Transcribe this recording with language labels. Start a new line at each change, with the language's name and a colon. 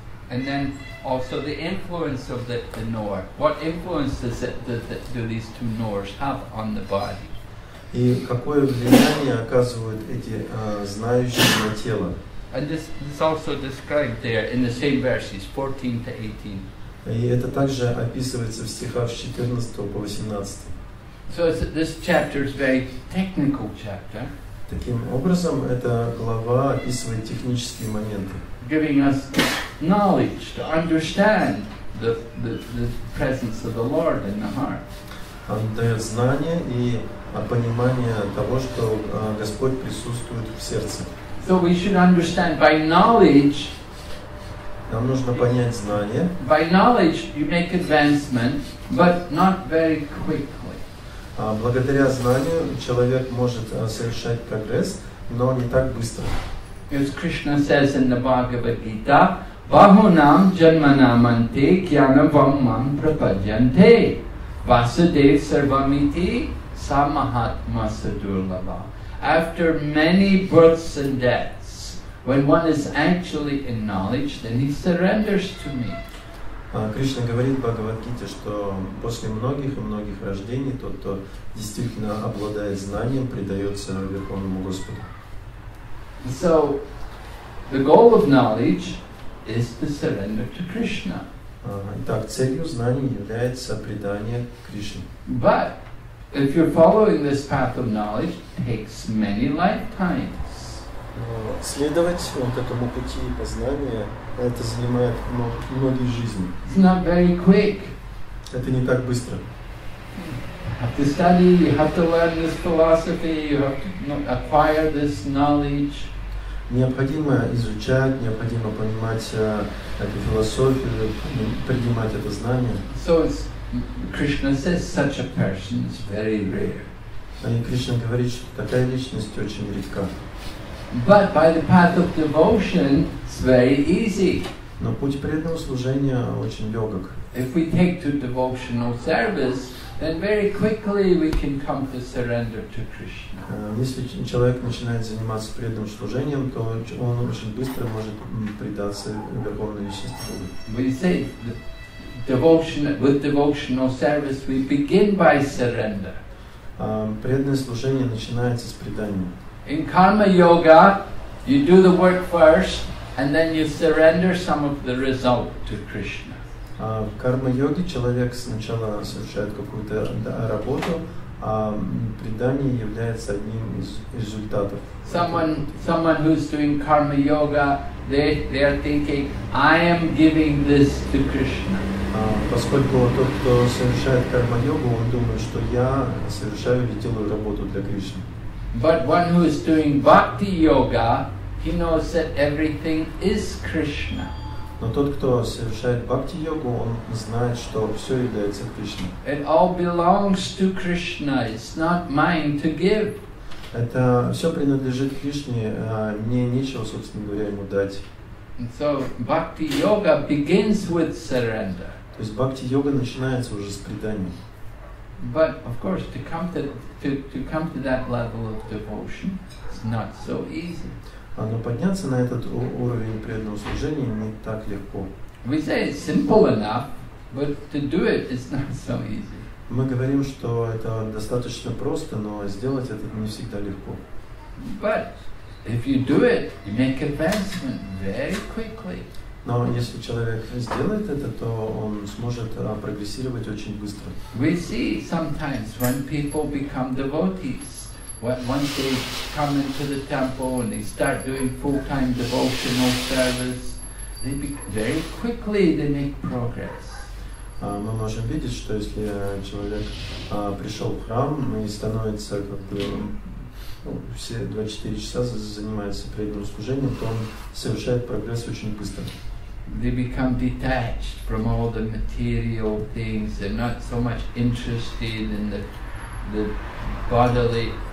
English: And then also the influence of the knower. What influence does do these two knowers have on the body?
Russian: И какое влияние оказывают эти знающие на тело?
English: And this also described there in the same verses, 14-18.
Russian: И это также описывается в стихах с 14 по 18.
English: So this chapter is very technical chapter.
Russian: Таким образом, эта глава описывает технические моменты.
English: Giving us knowledge to understand the presence of the Lord in the heart.
Russian: Он дает знания и понимание того, что Господь присутствует в сердце.
English: So we should understand by knowledge.
Russian: Нам нужно понять знание.
English: By knowledge you make advancement, but not very quickly.
Russian: Благодаря знанию человек может совершать прогресс, но не так быстро.
English: As Krishna says in the Bhagavad Gita,
Sanskrit: Bahunam janmanamante kyanavamam prapajante vasudev sarvamiti Samahatma Sadurlava.
English: After many births and deaths, when one is actually in knowledge, then he surrenders to me.
Russian: Кришна говорит в Бхагавад-гите, что после многих и многих рождений тот, кто действительно обладает знанием, предается Верховному Господу.
English: So the goal of knowledge is to surrender to Krishna.
Russian: Итак, целью знания является предание Кришне.
English: But if you're following this path of knowledge, it takes many lifetimes.
Russian: Следовать вот этому пути познания, это занимает многие жизни.
English: It's not very quick.
Russian: Это не так быстро.
English: You have to study, you have to learn this philosophy, you have to acquire this knowledge.
Russian: Необходимо изучать, необходимо понимать эту философию, принимать это знание.
English: So Krishna says such a person is very rare.
Russian: И Кришна говорит, что такая личность очень редка.
English: But by the path of devotion, it's very easy.
Russian: Но путь преданного служения очень легок.
English: If we take to devotional service, then very quickly we can come to surrender to Krishna.
Russian: Если человек начинает заниматься преданным служением, то он очень быстро может предаться Верховной Личности.
English: With devotional service, we begin by surrender.
Russian: Преданное служение начинается с предания.
English: In karma yoga, you do the work first, and then you surrender some of the result to Krishna.
Russian: В карма йоге человек сначала совершает какую-то работу, предание является одним из результатов.
English: Someone who's doing karma yoga, they are thinking, I am giving this to Krishna.
Russian: Поскольку тот, кто совершает карма йогу, он думает, что я совершаю или делаю работу для Кришны.
English: But one who is doing bhakti yoga, he knows that everything is Krishna.
Russian: Но тот, кто совершает бхакти-йогу, он знает, что все является Кришной.
English: It all belongs to Krishna. It's not mine to give.
Russian: Это все принадлежит Кришне, мне нечего, собственно говоря, ему дать.
English: So bhakti-yoga begins with surrender.
Russian: То есть бхакти-йога начинается уже с предания.
English: But of course, to come to that level of devotion, it's not so easy.
Russian: Но подняться на этот уровень преданного служения не так легко.
English: We say it's simple enough, but to do it is not so easy.
Russian: Мы говорим, что это достаточно просто, но сделать это не всегда легко.
English: But if you do it, you make advancement very quickly.
Russian: Но если человек сделает это, то он сможет прогрессировать очень быстро.
English: We see sometimes when people become devotees. Once they come into the temple and they start doing full-time devotional service, very quickly they make progress.
Russian: Мы можем видеть, что если человек пришел в храм и становится как бы все 24 часа занимается преданным служением, то он совершает прогресс очень быстро.
English: They become detached from all the material things. They're not so much interested in the bodily.